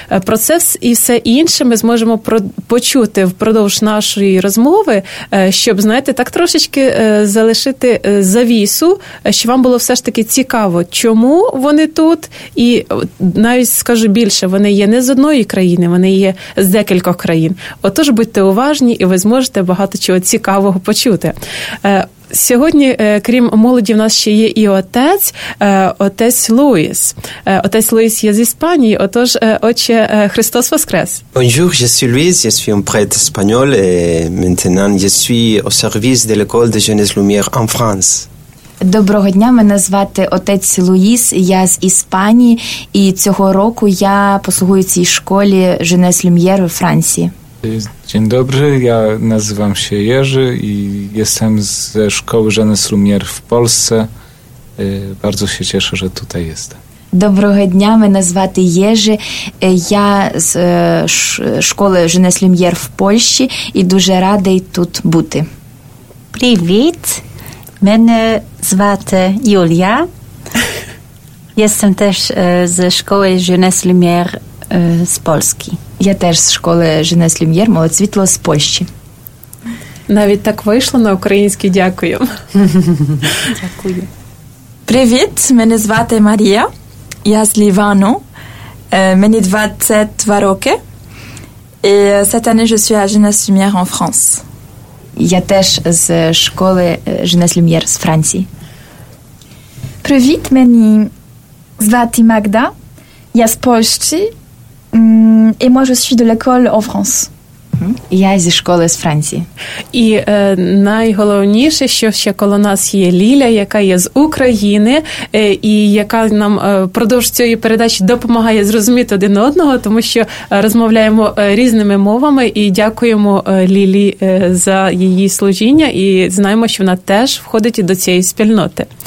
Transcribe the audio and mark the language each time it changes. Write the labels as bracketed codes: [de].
[uk] Про це і все інше ми зможемо почути впродовж нашої розмови, щоб, знаєте, так трошечки залишити завісу, щоб вам було все ж таки цікаво, чому вони тут, і навіть скажу більше, вони є не з одної країни, вони є з декількох країн. Отож, будьте уважні, і ви зможете багато чого цікавого почути. Сьогодні, крім молоді, в нас ще є і отець Луїс. Отець Луїс є з Іспанії, отож, отче, Христос воскрес. [fr] Bonjour, je suis Luis, je suis un prêtre espagnol et maintenant je suis au service de l'école de jeunesse Lumière en France. [uk] Доброго дня, мене звати отець Луїс, я з Іспанії і цього року я послугую цій школі Jeunesse Lumière у Франції. [pl] Dzień dobry, ja nazywam się Jerzy i jestem ze szkoły Jeunesse Lumière w Polsce. Bardzo się cieszę, że tutaj jestem. [uk] Доброго дня, мене звати Єжи. Я з школи Jeunesse Lumière в Польщі і дуже радий тут бути. Привіт, мене звати Юлія. [pl] Jestem też z szkoły Jeunesse Lumière z Polski. [uk] Я теж з школи Jeunesse Lumière, «Молодь світло» з Польщі. Навіть так вийшло на український, дякую. Дякую. Привіт, мене звати Марія, я з Лівану, мені 22 роки, і цей рік я була в Jeunesse Lumière в Франції. Я теж з школи Jeunesse Lumière з Франції. Привіт, мені звати Магда, я з Польщі, [fr] et moi, je suis de l'école en France. [uk] Я зі школи з Франції. І найголовніше, що ще коло нас є Ліля, яка є з України, і яка нам продовж цієї передачі допомагає зрозуміти один одного, тому що розмовляємо різними мовами, і дякуємо Лілі за її служіння, і знаємо, що вона теж входить до цієї спільноти.